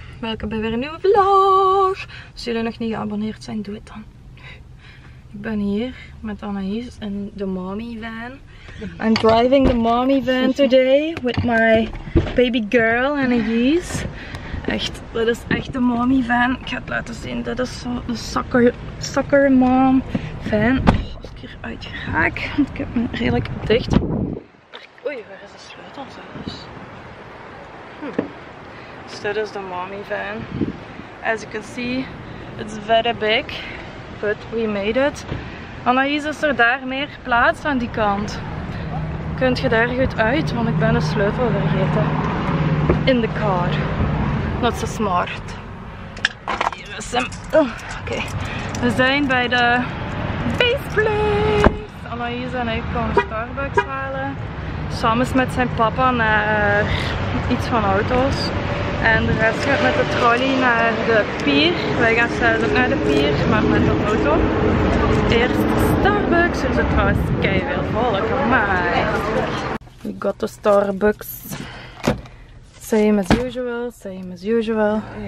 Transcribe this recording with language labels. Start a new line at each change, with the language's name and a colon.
Dutch: Welkom bij weer een nieuwe vlog. Als jullie nog niet geabonneerd zijn, doe het dan. Ik ben hier met Anaïs in de mommy van.
English: I'm driving the mommy van today with my baby girl Anaïs.
Dutch: Echt, dat is echt de mommy van. Ik ga het laten zien. Dat is zo de sucker mom van. Oh, als ik hier uit raak, want ik heb me redelijk dicht. Oei, waar is de sleutel zelfs? Dus dat is de mommy van.
English: As you can see, it's very big. But we made it.
Dutch: Anaïs, is er daar meer plaats aan die kant? Kunt je daar goed uit? Want ik ben de sleutel vergeten.
English: In the car. Not so smart.
Dutch: Hier is hem. Oké. We zijn bij de base place. Anaïs en ik komen Starbucks halen. Samen met zijn papa naar iets van auto's. En de rest gaat met de trolley naar de pier. Wij gaan zelf ook naar de pier, maar met de auto. Eerst Starbucks. Er zit trouwens keiveel volk, amai.
English: We got the Starbucks. Same as usual, same as usual.